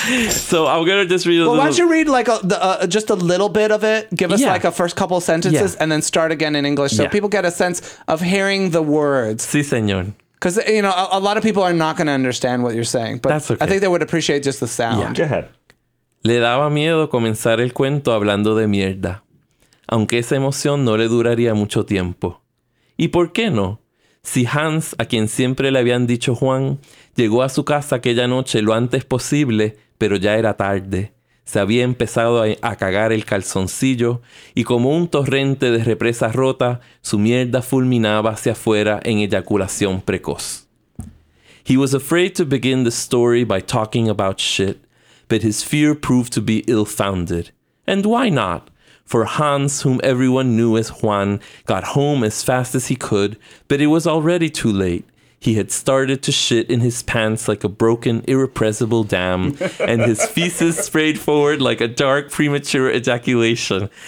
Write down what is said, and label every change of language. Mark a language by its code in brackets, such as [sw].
[en] So I'm going to just read a little. Why don't you read like just a little bit of it? Give us like a first couple sentences and then start again in English so people get a sense of hearing the words. [es] Sí, señor. [en] Because, you know, a lot of people are not going to understand what you're saying. But that's okay. I think they would appreciate just the sound. Yeah. Go ahead. [es] Le daba miedo comenzar el cuento hablando de mierda. Aunque esa emoción no le duraría mucho tiempo. ¿Y por qué no? Si Hans, a quien siempre le habían dicho Juan, llegó a su casa aquella noche lo antes posible, pero ya era tarde. Se había empezado a cagar el calzoncillo y como un torrente de represa rota, su mierda fulminaba hacia afuera en eyaculación precoz. [en] He was afraid to begin the story by talking about shit, but his fear proved to be ill-founded. And why not? For Hans, whom everyone knew as Juan, got home as fast as he could, but it was already too late. He had started to shit in his pants like a broken, irrepressible dam, and his feces sprayed forward like a dark, premature ejaculation.